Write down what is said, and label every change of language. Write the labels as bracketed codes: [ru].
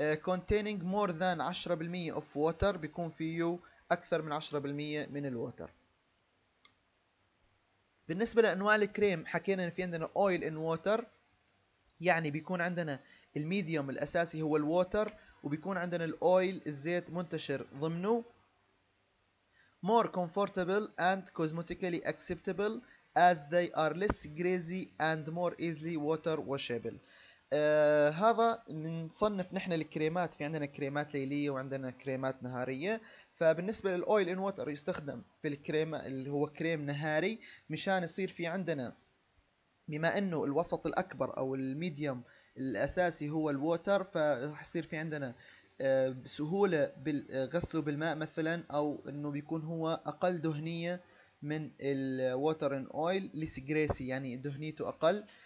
[en] Containing more than 10% of water، [ar] بيكون فيه اكثر من 10% من الووتر. بالنسبة لانواع الكريم حكينا ان في عندنا oil in water، يعني بيكون عندنا الميديوم الاساسي هو الووتر وبيكون عندنا الاويل الزيت منتشر ضمنه. [en] More comfortable and cosmetically acceptable as they are less greasy and more easily water washable. [ar] هذا نصنف نحن الكريمات، في عندنا كريمات ليلية وعندنا كريمات نهارية. فبالنسبة للأويل إن ووتر يستخدم في الكريمة اللي هو كريم نهاري مشان يصير في عندنا، بما أنه الوسط الأكبر أو الميديوم الأساسي هو الووتر، فرح يصير في عندنا بسهولة بغسله بالماء مثلا، أو أنه بيكون هو أقل دهنية من الووتر ان اويل، لسجريسي يعني دهنيته اقل،